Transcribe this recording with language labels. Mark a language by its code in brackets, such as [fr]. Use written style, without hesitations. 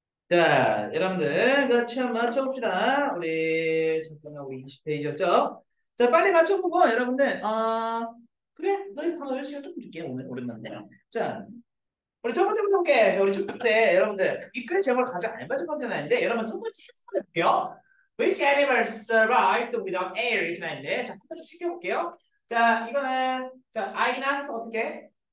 [ko] 자, 여러분들 같이 한번 맞춰봅시다. 우리 잠깐만, 우리 20페이지였죠? 자, 빨리 맞춰보고 여러분들. 그래, 너희 단어 외우는 시간 조금 줄게. 오늘 오랜만이네요. 자, 우리 첫 번째부터 할게. 자, 우리 첫 번째, 여러분들. 이 글의 제목을 가장 안 맞은 것 같은데, 여러분, 첫 번째 해석해볼게요. [en] Which animal survives without air? [ko] 이렇게 나있는데. 자, 한 번씩 시켜볼게요. 자, 이거는, 자, 아이나, 해서 어떻게?